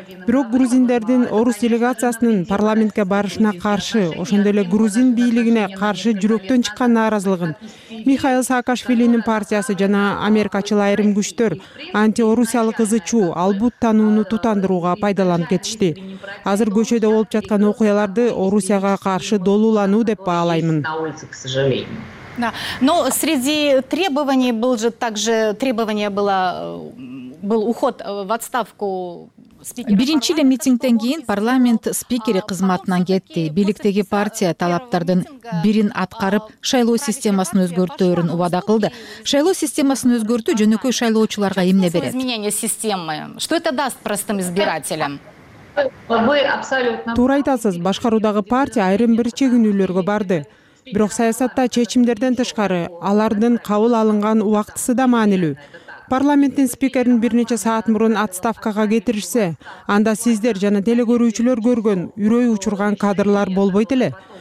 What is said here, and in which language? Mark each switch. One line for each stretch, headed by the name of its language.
Kyrgyz: Бирок грузиндердин орус делегациясынын парламентке барышына каршы, ошондой эле грузин бийлигине каршы жүрөктөн чыккан нааразылыгын Михаил Саакашвилинин партиясы жана Америкачыл айрым күчтөр антиорусиялык ызычуу, албут таануну тутандырууга пайдаланып кетишти. Азыр көчөдө болуп жаткан окуяларды Орусияга каршы долуулануу деп баалаймын.
Russian: Да. Но среди требований был же также требование было был уход в отставку.
Kyrgyz: Биринчи эле митингден кийин парламент спикери кызматынан кетти. Бийликтеги партия талаптардын бирин аткарып, шайлоо системасын өзгөртөөрүн убада кылды. Шайлоо системасын өзгөртүү жөнөкөй шайлоочуларга эмне берет?
Russian: Изменение системы. Что это даст простым избирателям?
Kyrgyz: Туура айтасыз, башкаруудагы партия айрым бир чегинүүлөргө барды. Бирок саясатта чечимдерден тышкары алардын кабыл алынган убактысы да маанилүү. Парламенттин спикерин бир нече саат мурун отставкага кетиришсе, анда сиздер жана теле көрүүчүлөр көргөн үрөй учурган кадрлар болбойт эле.